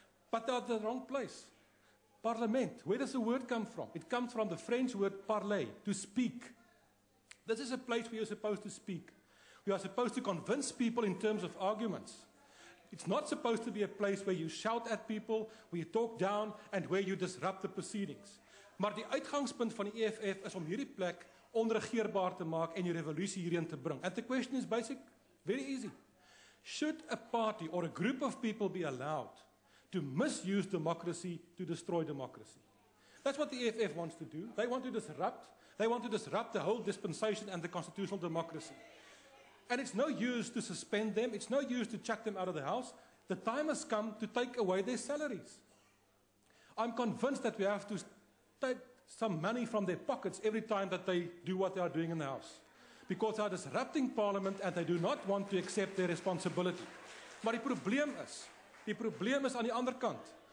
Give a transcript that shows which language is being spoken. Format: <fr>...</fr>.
<en>But they're at the wrong place. Parliament, where does the word come from? It comes from the French word parler, to speak. This is a place where you're supposed to speak. We are supposed to convince people in terms of arguments. It's not supposed to be a place where you shout at people, where you talk down, and where you disrupt the proceedings.</en> <af>Maar die uitgangspunt van die EFF is om hierdie plek onregeerbaar te maak en die revolusie hierin te bring.</af> <en>And the question is basic, very easy. Should a party or a group of people be allowed to misuse democracy to destroy democracy? That's what the EFF wants to do. They want to disrupt. They want to disrupt the whole dispensation and the constitutional democracy. And it's no use to suspend them. It's no use to chuck them out of the house. The time has come to take away their salaries. I'm convinced that we have to take some money from their pockets every time that they do what they are doing in the house. Because they are disrupting Parliament and they do not want to accept their responsibility.</en> <af>Maar die probleem is aan die ander kant.</af>